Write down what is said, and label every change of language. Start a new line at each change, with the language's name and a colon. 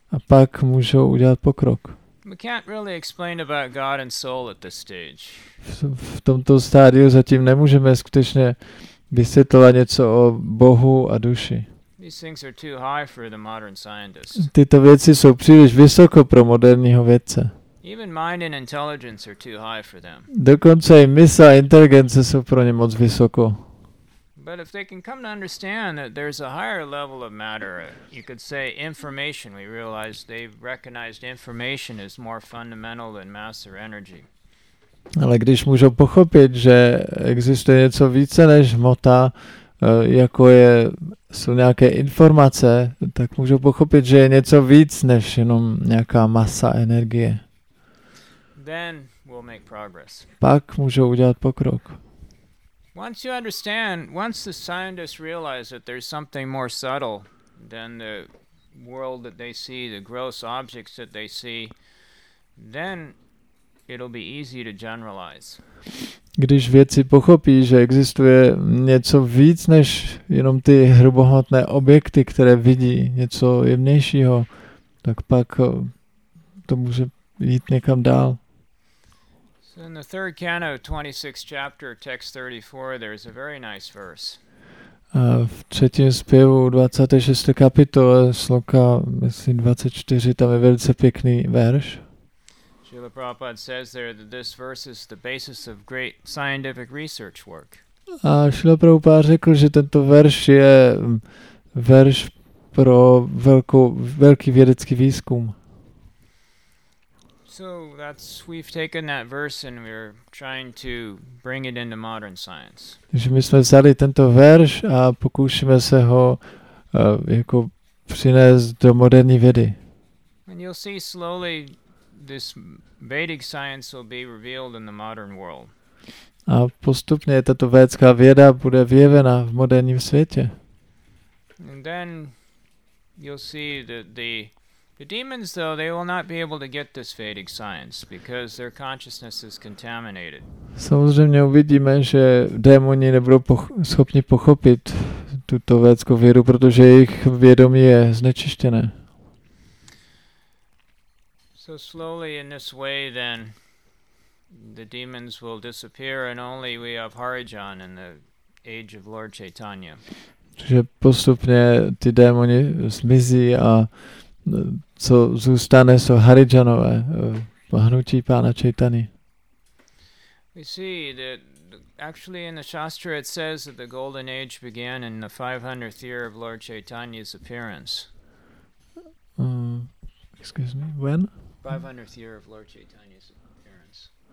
Czech: A pak můžou udělat pokrok.
English: We can't really explain about God and soul at this stage.
Czech: V tomto stádiu zatím nemůžeme skutečně vysvětlovat něco o Bohu a duši.
English: These things are too high for the modern scientist.
Czech: Tyto věci jsou příliš vysoko pro moderního vědce.
English: Even mind and intelligence are too high for them.
Czech: Dokonce i mysl a inteligence jsou pro ně moc vysoko.
English: But if they can come to understand that there's a higher level of matter, you could say information, we realize they've recognized information is more fundamental than mass or energy.
Czech: Ale když můžou pochopit, že existuje něco více než hmota, jako je, jsou nějaké informace, tak můžou pochopit, že je něco víc než jenom nějaká masa energie.
English: Then we'll make progress.
Czech: Pak můžou udělat pokrok.
English: Once you understand, once the scientists realize that there's something more subtle than the world that they see, the gross objects that they see, then it'll be easy to generalize.
Czech: Když vědci pochopí, že existuje něco víc než jenom ty hrubohmotné objekty, které vidí, něco jemnějšího, tak pak to může jít někam dál.
English: In the third canto, 26th chapter, text 34, there is a very nice verse.
Czech: V třetím zpěvu 26. kapitole, sloka, myslím, 24, tam je velice pěkný verš.
English: Srila Prabhupada says there that this verse is the basis of great scientific research work.
Czech: A Srila Prabhupada řekl, že tento verš je verš pro velký vědecký výzkum.
English: So that's we've taken that verse and we're trying to bring it into modern science.
Czech: Takže my jsme vzali tento verš a pokoušíme se ho jako přinést do moderní vědy.
English: And you'll see slowly this Vedic science will be revealed in the modern world.
Czech: A postupně tato védská věda bude vyjevena v moderním světě.
English: And then you'll see that the demons, though, they will not be able to get this Vedic science because their consciousness is contaminated.
Czech: Samozřejmě uvidíme, že démoni nebudou schopni pochopit tuto védskou vědu, protože jejich vědomí je znečištěné.
English: So slowly in this way, then, the demons will disappear and only we have Harijan in the age of Lord Chaitanya.
Czech: Takže postupně ty démoni zmizí a co zůstane, jsou Harijanové, hnutí pána Chaitany.
English: We see that actually in the Shastra it says that the golden age began in the 500th year of Lord Chaitanya's appearance. Excuse me, when? 500th year of Lord Chaitanya's appearance.